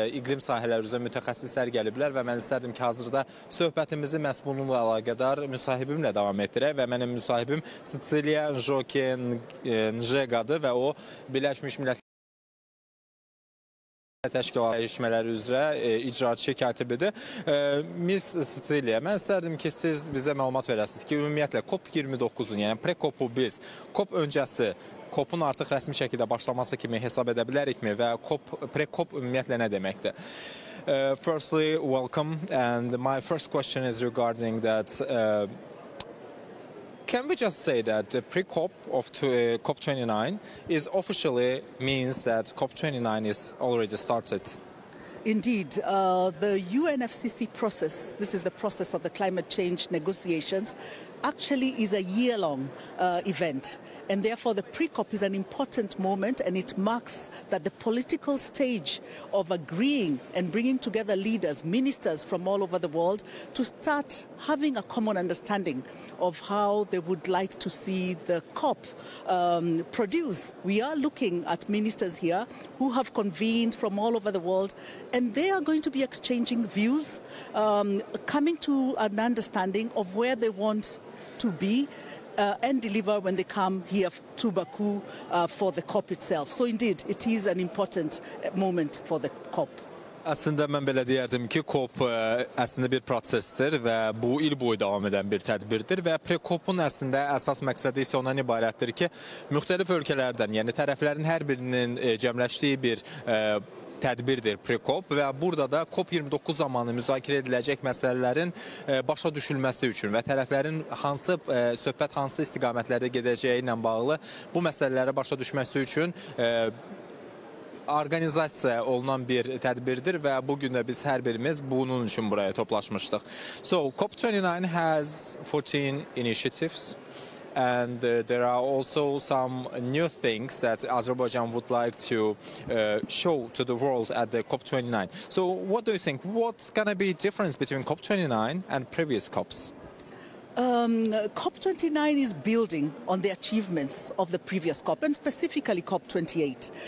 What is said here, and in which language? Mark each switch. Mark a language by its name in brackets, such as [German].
[Azerbaijani] iqlim sahələri üzrə mütəxəssislər gəliblər və mən istərdim ki, hazırda söhbətimizi məhz bununla əlaqədar müsahibimlə davam etdirək və mənim müsahibim Cecilia Njoki-Njegadır və o Birləşmiş Millətlər Təşkilat dəyişmələri üzrə icraçı katibidir. Miss Cecilia, mən istərdim ki, siz bizə məlumat verəsiniz ki, ümumiyyətlə COP29-un, yəni pre-COP-u biz COP öncəsi, COP-un artıq rəsmi şəkildə başlaması kimi hesab edə bilərikmi və pre-COP ümumiyyətlə nə deməkdir? [English] Firstly, welcome, and my first question is regarding that can we just say that the pre-COP of COP29 is officially means that COP29 is already started? Indeed, the UNFCCC process, this is the process of the climate change negotiations, actually is a year-long event. And therefore, the pre-COP is an important moment, and it marks that the political stage of agreeing and bringing together leaders, ministers from all over the world, to start having a common understanding of how they would like to see the COP produce. We are looking at ministers here who have convened from all over the world, and they are going to be exchanging views, coming to an understanding of where they want to be and deliver when they come here to Baku for the COP itself. So indeed, it is an important moment for the COP. [Azerbaijani] Əslində, mən belə deyərdim ki, COP əslində bir prosesdir və bu il boyu davam edən bir tədbirdir və pre-COP-un əslində əsas məqsədi isə ondan ibarətdir ki, müxtəlif ölkələrdən, yəni tərəflərin hər birinin cəmləşdiyi bir tədbirdir pre-COP və burada da COP29 zamanı müzakirə ediləcək məsələlərin başa düşülməsi üçün və tərəflərin hansı söhbət hansı istiqamətlərdə gedəcəyi ilə bağlı bu məsələlərə başa düşməsi üçün organizasiya olunan bir tədbirdir və bu gün də biz hər birimiz bunun üçün buraya toplaşmışdıq. [English] So COP29 has 14 initiatives. And there are also some new things that Azerbaijan would like to show to the world at the COP29. So what do you think? What's going to be the difference between COP29 and previous COPs? COP29 is building on the achievements of the previous COP, and specifically COP28.